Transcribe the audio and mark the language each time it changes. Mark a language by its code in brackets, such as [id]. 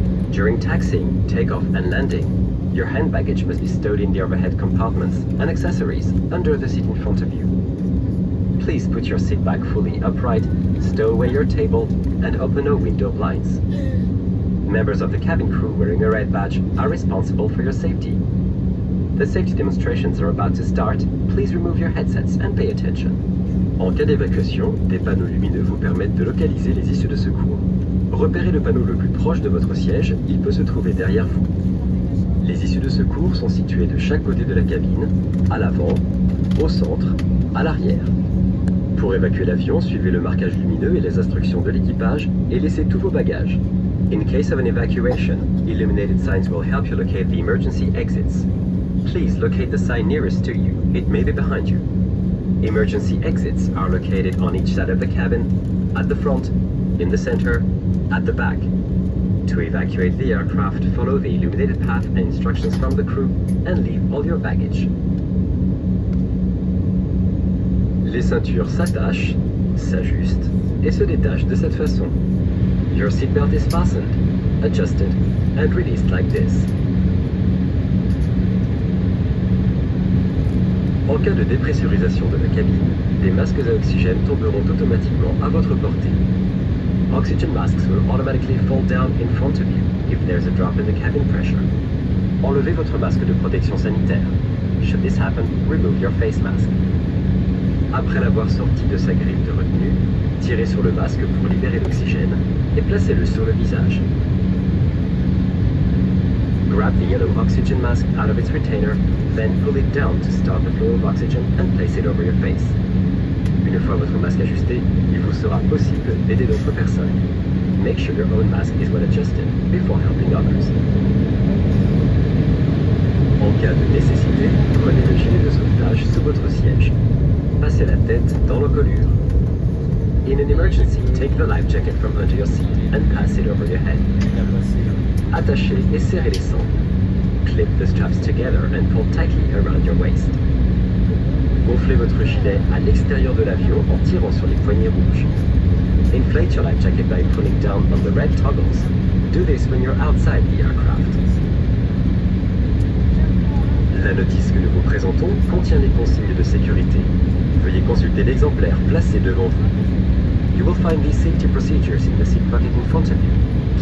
[en] During taxiing, takeoff and landing, your hand baggage must be stowed in the overhead compartments and accessories under the seat in front of you. Please put your seat back fully upright, stow away your table, and open all window blinds. Members of the cabin crew wearing a red badge are responsible for your safety. The safety demonstrations are about to start. Please remove your headsets and pay attention. [fr] En cas d'évacuation, des panneaux lumineux vous permettent de localiser les issues de secours. Repérez le panneau le plus proche de votre siège, il peut se trouver derrière vous. Les issues de secours sont situées de chaque côté de la cabine, à l'avant, au centre, à l'arrière. Pour évacuer l'avion, suivez le marquage lumineux et les instructions de l'équipage et laissez tous vos bagages. [en] In case of an evacuation, illuminated signs will help you locate the emergency exits. Please locate the sign nearest to you, it may be behind you. Emergency exits are located on each side of the cabin, at the front, in the center, at the back. To evacuate the aircraft, follow the illuminated path and instructions from the crew and leave all your baggage. [fr] Les ceintures s'attachent, s'ajustent et se détachent de cette façon. [en] Your seatbelt is fastened, adjusted and released like this. [fr] En cas de dépressurisation de la cabine, des masques à oxygène tomberont automatiquement à votre portée. [en] Oxygen masks will automatically fall down in front of you if there's a drop in the cabin pressure. [fr] Enlevez votre masque de protection sanitaire. [en] Should this happen, remove your face mask. [fr] Après l'avoir sorti de sa grille de retenue, tirez sur le masque pour libérer l'oxygène et placez-le sur le visage. [en] Grab the yellow oxygen mask out of its retainer, then pull it down to stop the flow of oxygen and place it over your face. [fr] Une fois votre masque ajusté, il vous sera possible d'aider d'autres personnes. [en] Make sure your own mask is well adjusted before helping others. [fr] En cas de nécessité, prenez le gilet de sauvetage sous votre siège. Passez la tête dans l'encolure. [en] In an emergency, take the life jacket from under your seat and pass it over your head. [fr] Attachez et serrez les sangles. [en] Clip the straps together and pull tightly around your waist. [fr] Gonflez votre gilet à l'extérieur de l'avion en tirant sur les poignées rouges. [en] Inflate your life jacket by pulling down on the red toggles. Do this when you're outside the aircraft. [fr] La notice que nous vous présentons contient les consignes de sécurité. Veuillez consulter l'exemplaire placé devant vous. [en] You will find these safety procedures in the seat pocket in front of you.